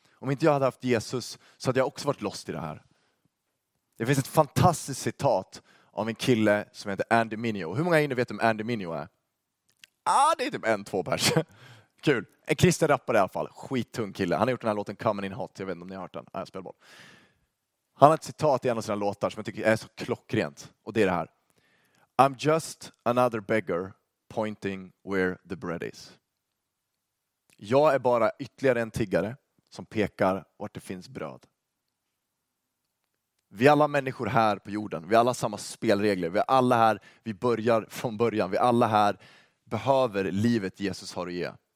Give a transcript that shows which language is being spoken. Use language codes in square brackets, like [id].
[sv] Om inte jag hade haft Jesus så hade jag också varit lost i det här. Det finns ett fantastiskt citat av en kille som heter Andy Mineo. Hur många inne vet om Andy Mineo är? Ah, det är typ en, två pers. Kul. En kristen rappare i alla fall. Skittung kille. Han har gjort den här låten Coming in Hot. Jag vet inte om ni har hört den. Ah, jag spelar boll. Han har ett citat i en av sina låtar som jag tycker är så klockrent. Och det är det här. [en] I'm just another beggar pointing where the bread is. [sv] Jag är bara ytterligare en tiggare som pekar vart det finns bröd. Vi alla människor här på jorden, vi alla samma spelregler, vi alla här, vi börjar från början, vi alla här behöver livet Jesus har att ge.